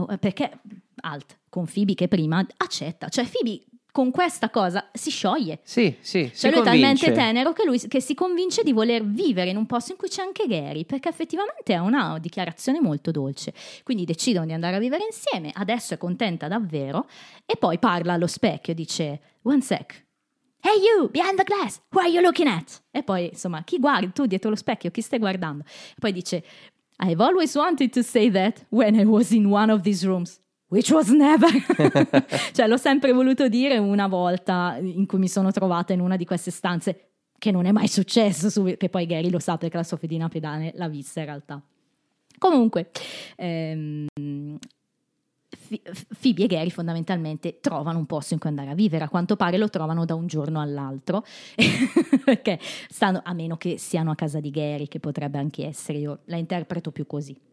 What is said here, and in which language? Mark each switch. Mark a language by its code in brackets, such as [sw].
[it] Perché, con Phoebe che prima accetta. Cioè, Phoebe con questa cosa si scioglie. Sì, sì, cioè, lui è talmente tenero che si convince di voler vivere in un posto in cui c'è anche Gary. Perché effettivamente è una dichiarazione molto dolce. Quindi decidono di andare a vivere insieme. Adesso è contenta davvero. E poi parla allo specchio, dice [en] one sec. Hey you, behind the glass, who are you looking at? [it] E poi, insomma, chi guardi? Tu dietro lo specchio, chi stai guardando? E poi dice [en] I've always wanted to say that when I was in one of these rooms. Which was never. [it] Cioè, l'ho sempre voluto dire una volta in cui mi sono trovata in una di queste stanze, che non è mai successo, che poi Gary lo sa perché la sua fedina pedale l'ha vista in realtà. Comunque, Phoebe e Gary fondamentalmente trovano un posto in cui andare a vivere, a quanto pare lo trovano da un giorno all'altro, perché stanno, a meno che siano a casa di Gary, che potrebbe anche essere, io la interpreto più così.